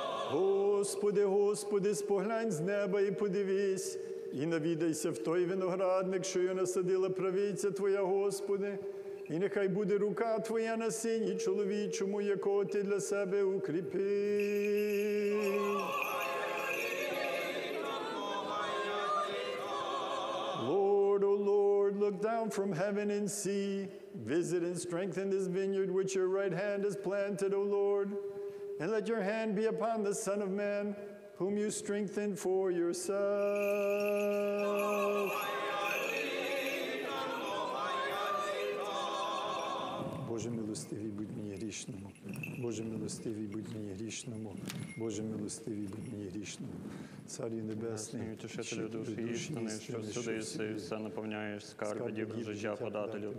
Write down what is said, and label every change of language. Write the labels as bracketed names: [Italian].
[Ukrainian] Господи, Господи, споглянь з неба і подивись. І навідайся в той виноградник, що його насадила правиця Твоя, Господи, і нехай буде рука Твоя на сині чоловічому, якого Ти для себе укріпив. [English] Lord, O Lord, look down from heaven and see. Visit and strengthen this vineyard which your right hand has planted, O Lord. And let your hand be upon the Son of Man, whom you strengthen for yourself. [Ukrainian] Боже милостивий, будь мені грішному. Боже милостивий, будь мені грішному. Боже милостивий, будь мені грішному. Царю небесний, утішителю душі істини, що всюди сей все наповняєш скарби і життя подателю.